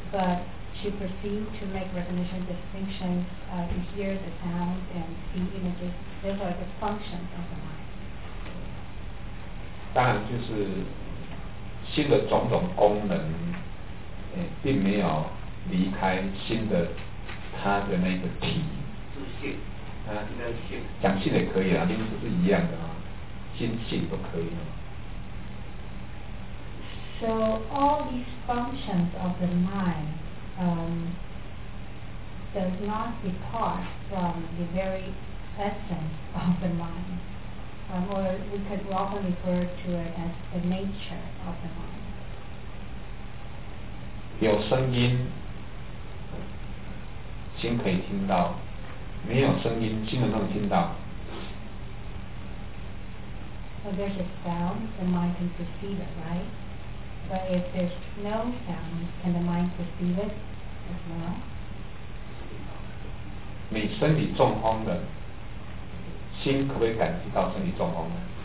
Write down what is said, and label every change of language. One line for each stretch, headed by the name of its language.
English: But to perceive, to make recognition, distinction, to hear the sound and see images, those are the functions of the mind.
Chinese: 当然，就是新的种种功能，并没有。离开心的，它的那个体，是性，啊，性，讲性也可以啊，名词是一样的啊，心性都可以啊。
English: So all these functions of the mind, does not depart from the very essence of the mind, or we could often refer to it as the nature of the mind.
Chinese: 有声音。心可以听到，没有声音，心能不能听到？
English: So there's a sound, the mind can perceive it, right? But if there's no sound, can the mind perceive it as well?
Chinese: 你身体中风了，心可不可以感知到身体中风了？